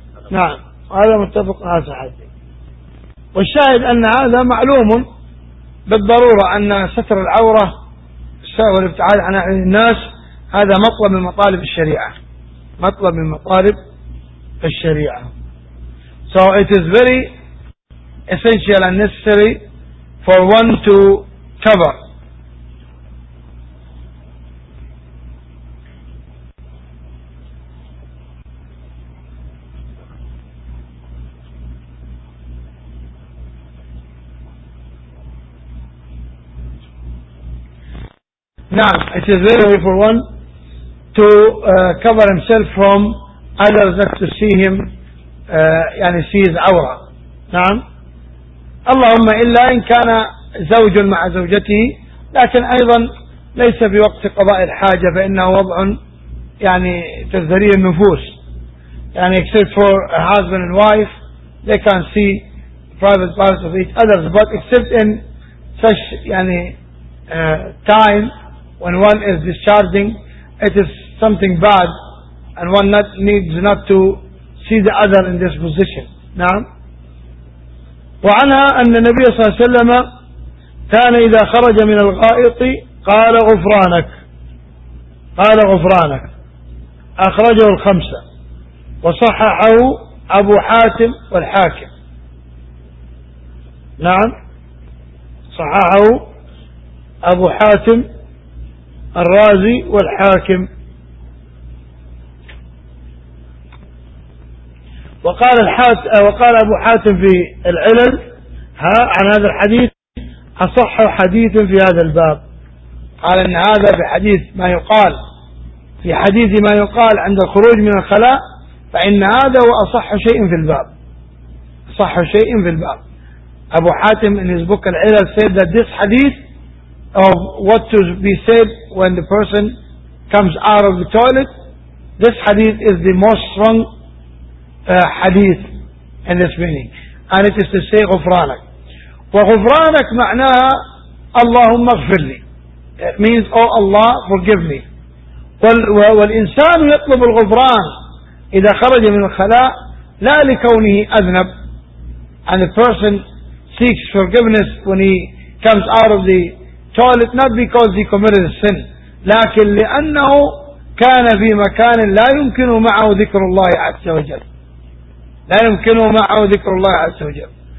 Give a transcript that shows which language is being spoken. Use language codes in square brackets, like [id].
[ar] نعم هذا متفق على صحته. والشاهد أن هذا معلوم بالضرورة، أن ستر العورة والابتعاد عن الناس هذا مطلب من مطالب الشريعة، مطلب من مطالب الشريعة. [en] So it is very essential and necessary for one to cover. Now, it is very easy for one to cover himself from others that to see him, يعني see his aura. [ar] نعم. اللهم إلا إن كان زوج مع زوجته، لكن أيضا ليس في وقت قضاء الحاجة، فإنه وضع يعني تزدري النفوس. [en] يعني except for a husband and wife, they can see private parts of each other, but except in such يعني time when one is discharging, it is something bad, and one not needs not to see the other in this position. [ar] نعم. وعنها أن النبي صلى الله عليه وسلم كان إذا خرج من الغائط قال غفرانك، قال غفرانك، أخرجه الخمسة، وصححه أبو حاتم والحاكم. نعم صححه أبو حاتم الرازي والحاكم. وقال وقال أبو حاتم في العلل ها عن هذا الحديث أصح حديث في هذا الباب، قال إن هذا في حديث ما يقال، في حديث ما يقال عند الخروج من الخلاء، فإن هذا هو أصح شيء في الباب، أصح شيء في الباب. [en] أبو حاتم in his book العلل said that this حديث of what to be said when the person comes out of the toilet, this hadith is the most strong hadith in this meaning, and it is to say غفرانك. [ar] وغفرانك معناها اللهم اغفر لي. [en] It means oh Allah forgive me. [ar] والإنسان يطلب الغفران إذا خرج من الخلاء لا لكونه أذنب. [en] And the person seeks forgiveness when he comes out of the toilet, not because he committed a sin, [ar] لكن لأنه كان في مكان لا يمكن معه ذكر الله عز وجل، [en] لا يمكن معه ذكر الله عز وجل.